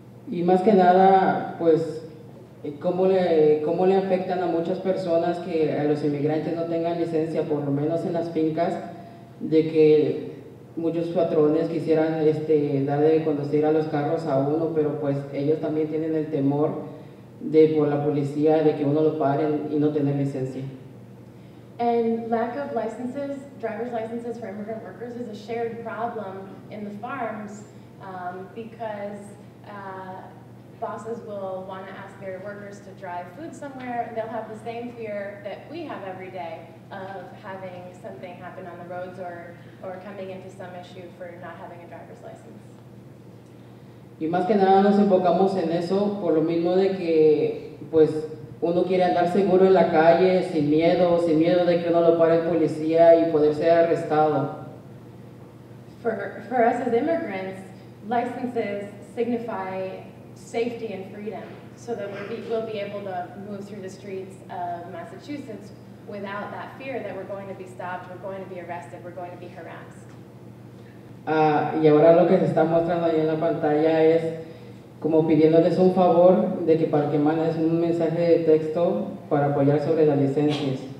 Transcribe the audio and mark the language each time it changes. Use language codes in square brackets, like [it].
[es] Y más que nada, pues, ¿cómo le afectan a muchas personas que a los inmigrantes no tengan licencia, por lo menos en las fincas, de que muchos patrones quisieran dar de conducir a los carros a uno, pero pues ellos también tienen el temor de por la policía de que uno lo paren y no tener licencia? [en] And lack of licenses, driver's licenses for immigrant workers is a shared problem in the farms because bosses will want to ask their workers to drive food somewhere, and they'll have the same fear that we have every day of having something happen on the roads or coming into some issue for not having a driver's license. [es] Y más que nada nos enfocamos en eso por lo mismo de que pues uno quiere andar seguro en la calle sin miedo de que uno lo pare el policía y poder ser arrestado. [en] For us as immigrants, licenses signify safety and freedom, so that we'll be able to move through the streets of Massachusetts without that fear that we're going to be stopped, we're going to be arrested, we're going to be harassed. [es] Y ahora lo que se está mostrando ahí en la pantalla es como pidiéndoles un favor de que para que mandes un mensaje de texto para apoyar sobre las licencias.